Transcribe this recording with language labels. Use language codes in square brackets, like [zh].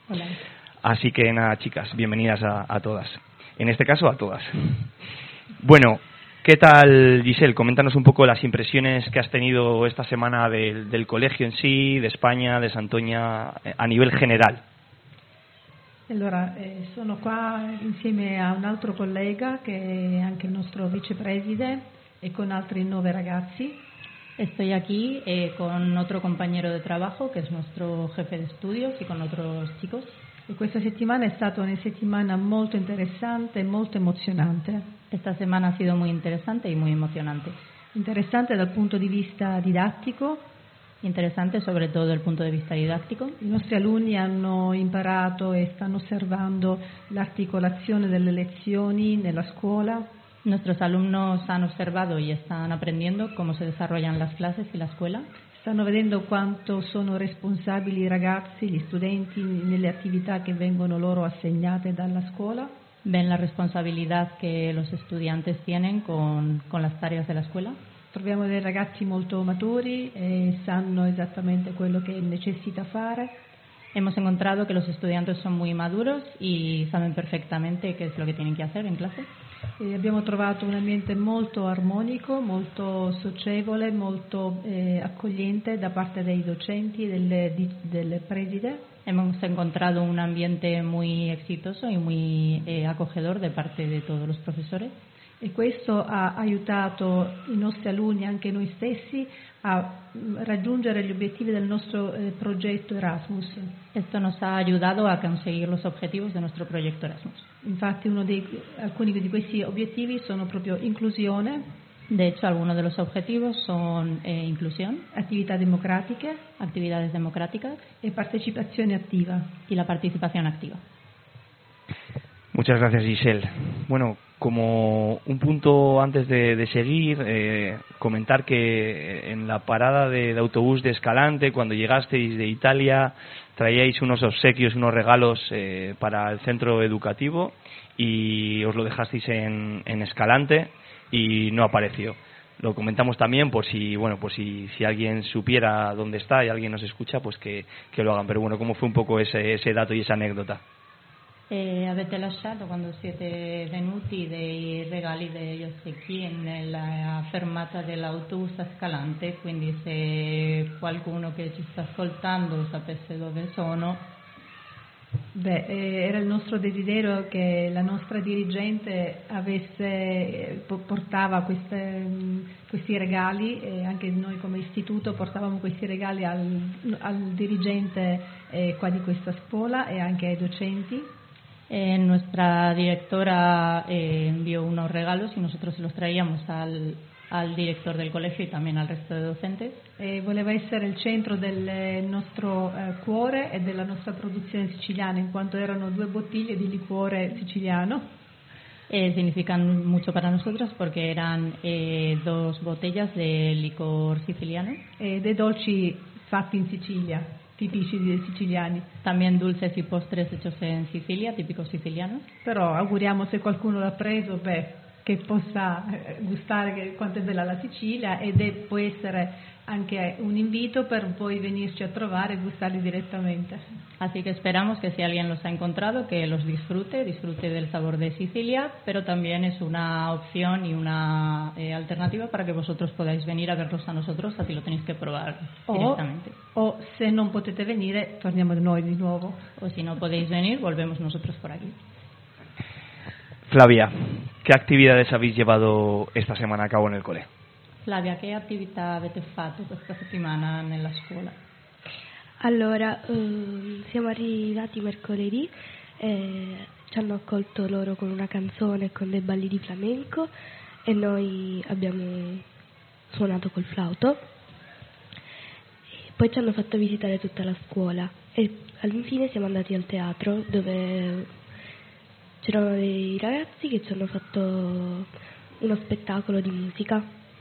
[es] Hola. Así que nada, chicas, bienvenidas a todas. En este caso, a todas. Bueno, ¿qué tal, Giselle? Coméntanos un poco las impresiones que has tenido esta semana del colegio en sí, de España, de Santoña, a nivel general. [it] Allora, sono qua insieme a un altro collega che è anche il nostro vicepreside e con altri 9 ragazzi. [es] Estoy aquí con otro compañero de trabajo que es nuestro jefe de estudios y con otros chicos. [it] E questa settimana è stata una settimana molto interessante e molto emozionante. [es] Esta semana ha sido muy interesante y muy emocionante. [it] Interesante dal punto di vista didattico. [es] Interesante sobre todo [it] dal punto di vista didattico. I nostri alunni hanno imparato e stanno osservando l'articolazione delle lezioni nella scuola. [es] Nuestros alumnos han observado y están aprendiendo cómo se desarrollan las clases y la escuela. [it] Stanno vedendo quanto sono responsabili i ragazzi, gli studenti, nelle attività che vengono loro assegnate dalla scuola. [es] ven la responsabilidad que los estudiantes tienen con las tareas de la escuela. [it] Troviamo dei ragazzi molto maturi e sanno esattamente quello che necessita fare. [es] Hemos encontrado que los estudiantes son muy maduros y saben perfectamente qué es lo que tienen que hacer en clase. [it] E abbiamo trovato un ambiente molto armonico, molto socievole, molto accogliente da parte dei docenti e del preside. [es] Hemos encontrado un ambiente muy exitoso y muy acogedor de parte de todos los profesores. [it] E questo ha aiutato i nostri alunni, anche noi stessi, a raggiungere gli obiettivi del nostro progetto Erasmus. [es] Esto nos ha ayudado a conseguir los objetivos de nuestro proyecto Erasmus. [it] Infatti, alcuni di questi obiettivi sono proprio inclusione. [es] De hecho, algunos de los objetivos son inclusión, actividades democráticas y participación activa. Y la participación activa. Muchas gracias, Giselle. Bueno, como un punto antes de seguir, comentar que en la parada de autobús de Escalante, cuando llegasteis de Italia, traíais unos obsequios, unos regalos para el centro educativo y os lo dejasteis en Escalante y no apareció. Lo comentamos también por si, bueno, pues si alguien supiera dónde está y alguien nos escucha, pues que lo hagan. Pero bueno, ¿cómo fue un poco ese dato y esa anécdota? [it] Avete lasciato quando siete venuti dei regali degli ossequi nella fermata dell'autobus a Scalante, quindi se qualcuno che ci sta ascoltando sapesse dove sono. Beh, era il nostro desiderio che la nostra dirigente portava questi regali, e anche noi come istituto portavamo questi regali al dirigente qua di questa scuola e anche ai docenti. [es] Nuestra directora envió unos regalos y nosotros se los traíamos al director del colegio y también al resto de docentes. [it] Voleva essere il centro del nostro cuore e della nostra produzione siciliana, in quanto erano due bottiglie di liquore siciliano. [es] Significan mucho para nosotros porque eran dos botellas de licor siciliano. [it] Dei dolci fatti in Sicilia. Tipici dei siciliani. [es] También dulces y postres hechos en Sicilia, típicos sicilianos. [it] Però auguriamo se qualcuno l'ha preso, che possa gustare quanto è bella la Sicilia ed può essere anche un invito per poi venirci a trovare e gustarli direttamente. [es] Así que esperamos que si alguien los ha encontrado, que los disfrute del sabor de Sicilia, pero también es una opción y una alternativa para que vosotros podáis venir a verlos a nosotros, así lo tenéis que probar directamente. [it] O se non potete venire, torniamo noi di nuovo. [es] O si no podéis venir, volvemos nosotros por aquí. Flavia, ¿qué actividades habéis llevado esta semana a cabo en el cole? Flavia, ¿qué actividad habéis hecho esta semana en la escuela? [it] Allora, siamo arrivati mercoledì, ci hanno accolto loro con una canzone e con dei balli di flamenco e noi abbiamo suonato col flauto. E poi ci hanno fatto visitare tutta la scuola e infine siamo andati al teatro dove c'erano dei ragazzi che ci hanno fatto uno spettacolo di musica.